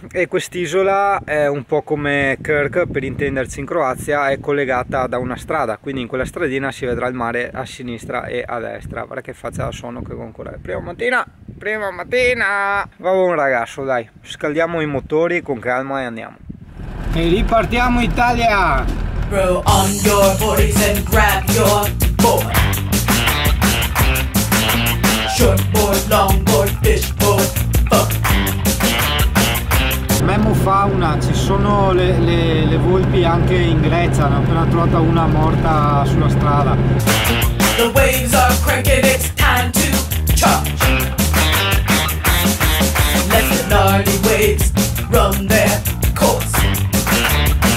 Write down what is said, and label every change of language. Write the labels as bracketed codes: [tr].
[it] E quest'isola è un po' come Krk, per intenderci, in Croazia, è collegata da una strada, quindi in quella stradina si vedrà il mare a sinistra e a destra. Guarda che faccia da sonno che concorre. Prima mattina! Vabbè, un ragazzo, dai, scaldiamo i motori con calma e andiamo. E ripartiamo Italia! [en] Throw on your 40s and grab your board. Shortboard, longboard, fishboard, boat. [it] Memo fauna, ci sono le volpi anche in Grecia, ne ho appena trovata una morta sulla strada. [en] The waves are cranking, it's time to charge. Let the gnarly waves run their course.